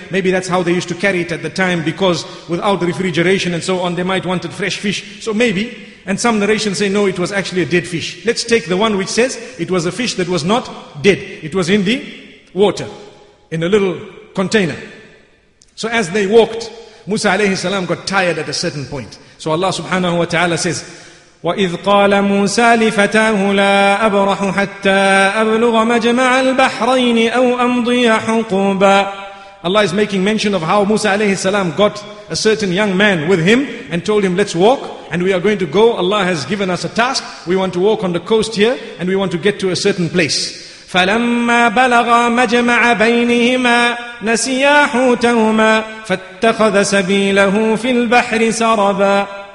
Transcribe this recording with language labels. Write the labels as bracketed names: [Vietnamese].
[English] Maybe that's how they used to carry it at the time, because without the refrigeration and so on, they might wanted fresh fish. So maybe. And some narrations say, no, it was actually a dead fish. Let's take the one which says it was a fish that was not dead. It was in the water, in a little container. So as they walked, Musa alayhi salam got tired at a certain point. So Allah subhanahu wa ta'ala says, [Arabic] وَإِذْ قَالَ مُوسَى لِفَتَاهُ لَا أَبْرَحُ حَتَّى أَبْلُغَ مَجْمَعَ الْبَحْرَيْنِ أَوْ أَمْضِيَ حُقُوبًا. [English] Allah is making mention of how Musa alayhi salam got a certain young man with him and told him, let's walk and we are going to go. Allah has given us a task. We want to walk on the coast here and we want to get to a certain place. [Arabic] فَلَمَّا بَلَغَ مَجْمَعَ بَيْنِهِمَا نَسِيَا حُوتَهُمَا فَاتَّخَذَ سَبِيلَهُ فِي الْبَحْرِ سَرَبًا.